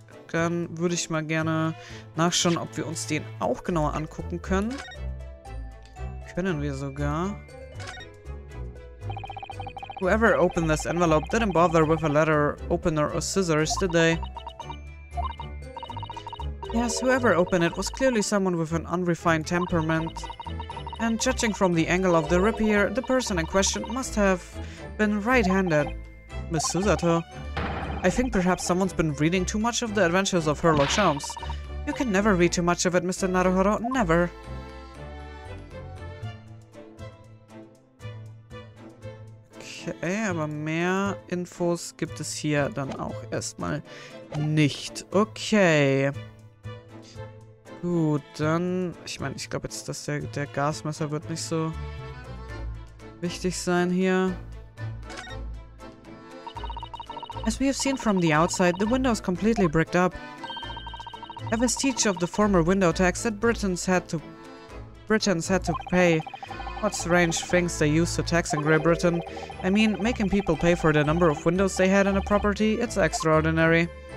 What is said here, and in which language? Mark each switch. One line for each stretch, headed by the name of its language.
German: Dann würde ich mal gerne nachschauen, ob wir uns den auch genauer angucken können. Können wir sogar.
English: Whoever opened this envelope didn't bother with a letter opener or scissors, did they? Yes, whoever opened it was clearly someone with an unrefined temperament. And judging from the angle of the rip here, the person in question must have been right-handed. Miss Susato. I think perhaps someone's been reading too much of the adventures of Sherlock Holmes. You can never read too much of it, Mr. Naruhodo, never.
German: Okay, aber mehr Infos gibt es hier dann auch erstmal nicht. Okay. Gut, dann... Ich meine, ich glaube jetzt, dass der Gasmesser wird nicht so wichtig sein hier.
English: As we have seen from the outside, the window is completely bricked up. A vestige of the former window tax that Britons had to pay. What strange things they used to tax in Great Britain. I mean, making people pay for the number of windows they had in a property, it's extraordinary.